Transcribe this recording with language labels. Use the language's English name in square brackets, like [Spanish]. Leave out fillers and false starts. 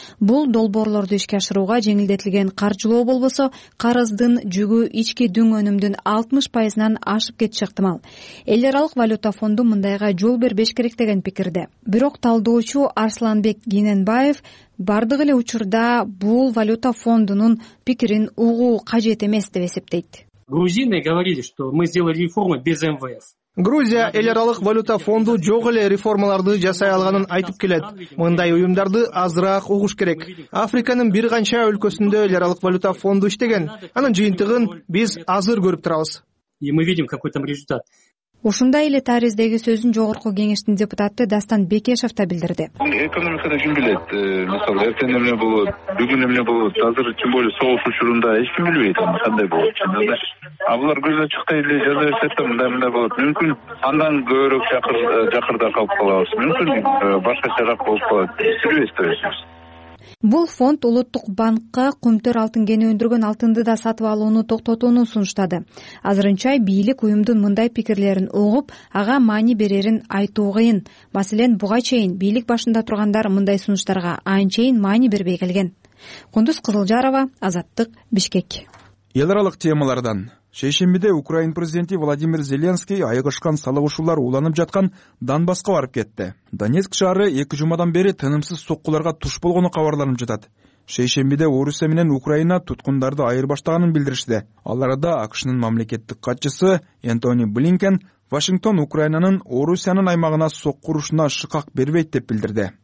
[Kyrgyz] Бул долбоорлорду ишке ашырууга жеңилдетилген каржылоо болбосо, карыздын жүгү ички дүң өнүмдүн 60%-нан ашып кетиши ыктымал. Эл аралык валюта фонду мындайга жол бербеш керек деген пикирде. Бирок талдоочу Арсланбек Кененбаев бардык эле учурда бул валюта фондунун пикирин угуу кажет эмес деп эсептейт. [Russian] Грузины говорили, что мы сделали реформу без МВФ. [Kyrgyz] Грузия эл аралык валюта фонду жок эле реформаларды жасай алганын айтып келет. Мындай уюмдарды азыраак угуш керек. Африканын бир канча өлкөсүндө эл аралык валюта фонду иштеген. Анын жыйынтыгын биз азыр көрүп турабыз. [Russian] И мы видим какой там результат. [Kyrgyz] Ушундай эле тариздеги сөзүн Жогорку Кеңештин депутаты Дастан Бекешев да билдирди. Экономикада ким билет? Мисалы, эртең эмне болот, бүгүн эмне болот, азыр [Russian] тем более [Kyrgyz] согуш учурунда эч ким билбейт аны кандай болот. А булар көз ачыктай эле жаза берсек да мындай мындай болот. Мүмкүн андан көбүрөөк жакырда калып калабыз. Мүмкүн башкачараак болуп калат. Билбейбиз да өзүбүз. Бул фонд улуттук банкка Күмтөр алтын кени өндүргөн алтынды да сатып алууну токтотууну сунуштады. Азырынча бийлик уюмдун мындай пикирлерин угуп, ага маани берерин айтуу кыйын. Маселен, буга чейин бийлик башында тургандар мындай сунуштарга анчейин маани бербей келген. Кундуз Кызылжарова, Азаттык, Бишкек. Эл аралык темалардан. Шейшембиде Украин президенти Владимир Зеленский айыгышкан салыгышуулар уланып жаткан Донбасска барып кетти. Донецк шаары 2 жумадан бери тынымсыз соккуларга туш болгону кабарланып жатат. Шейшембиде Орусия менен Украина туткундарды айырбаштаганын билдиришти. Аларда АКШнын мамлекеттик катчысы Энтони Блинкен Вашингтон Украинанын Орусиянын аймагына соккурушуна шыкак бербейт деп билдирди.